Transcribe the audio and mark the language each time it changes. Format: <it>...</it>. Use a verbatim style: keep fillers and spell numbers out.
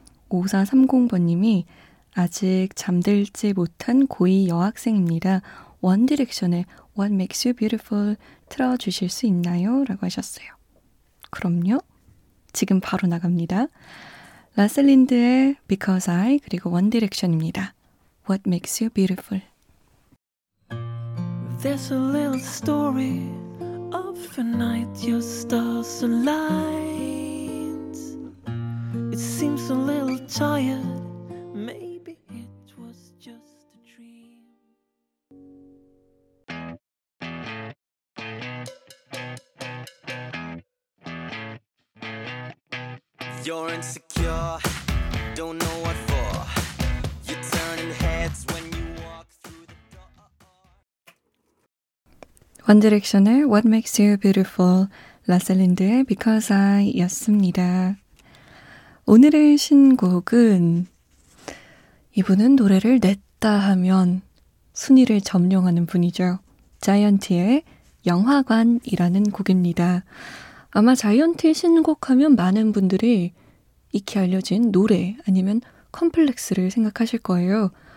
<ko>오사삼공 번님이 아직 잠들지 못한 고이 여학생입니다. 원 디렉션의 What Makes You Beautiful 틀어주실 수 있나요? 라고 하셨어요. 그럼요. 지금 바로 나갑니다. 라셀린드의 Because I 그리고 원 디렉션입니다.</ko> <en>What makes you beautiful? There's a little story of a night your stars aligned. It seems a little tired. Maybe it was just a dream. You're insecure, don't know what for. You're turning heads when you walk through the door.</en> <ko>원 디렉션의 What Makes You Beautiful, 라셀린드의 Because I 였습니다. 오늘의 신곡은 이분은 노래를 냈다 하면 순위를 점령하는 분이죠. 자이언티의 영화관이라는 곡입니다. 아마 자이언티 신곡하면 많은 분들이 익히 알려진 노래 아니면 컴플렉스를 생각하실 거예요.</ko>